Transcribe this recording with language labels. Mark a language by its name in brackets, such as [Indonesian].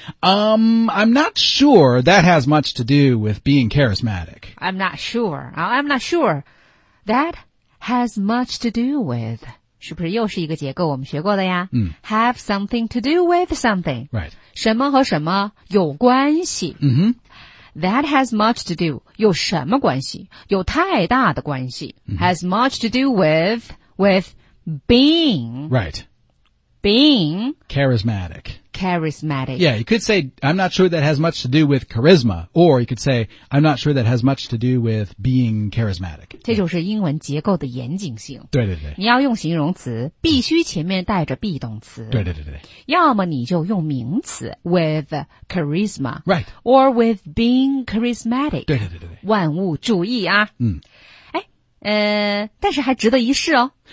[English] I'm not sure that has much to do with being charismatic. I'm not sure that has much to do with. [Chinese] 是不是又是一个结构我们学过的呀？ [English] Have something to do with something. Right. [Chinese] 什么和什么有关系。 [English] That has much to do, [Chinese] 有什么关系？有太大的关系。 [English] Has much to do with being. Right. Being. Charismatic. Charismatic. Yeah, you could say, I'm not sure that has much to do with charisma. Or you could say, I'm not sure that has much to do with being charismatic. [Chinese] 这就是英文结构的严谨性。对对对。你要用形容词，必须前面带着 be 动词。对对对对。要么你就用名词 [English] with charisma. Right. Or with being charismatic. [Chinese] 对对对对对。万物注意啊。但是还值得一试哦。